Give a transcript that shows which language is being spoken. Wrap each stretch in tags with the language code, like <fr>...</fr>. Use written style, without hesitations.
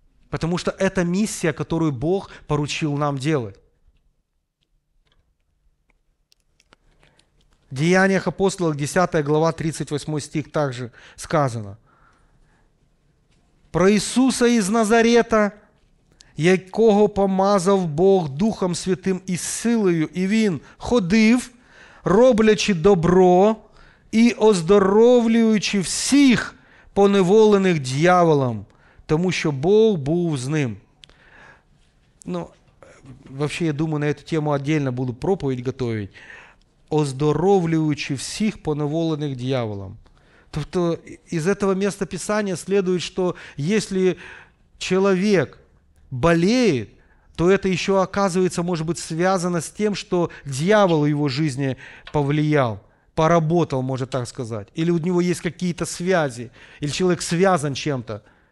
<ru>Потому что это миссия, которую Бог поручил нам делать. В Деяниях апостолов, 10 глава, 38 стих, также сказано.</ru> <uk>Про Иисуса из Назарета, якого помазав Бог Духом Святым і силою, і він ходив, роблячи добро і оздоровлюючи всіх поневолених дьяволом, тому що Бог був з ним.</uk> <ru>Ну, вообще, я думаю, на эту тему отдельно буду проповідь готовить.</ru> <uk>Оздоровлюючи всіх поневолених дьяволом.</uk> <ru>То из этого места Писания следует, что если человек болеет, то это еще оказывается, может быть, связано с тем, что дьявол в его жизни повлиял, поработал, можно так сказать. Или у него есть какие-то связи, или человек связан чем-то.</ru>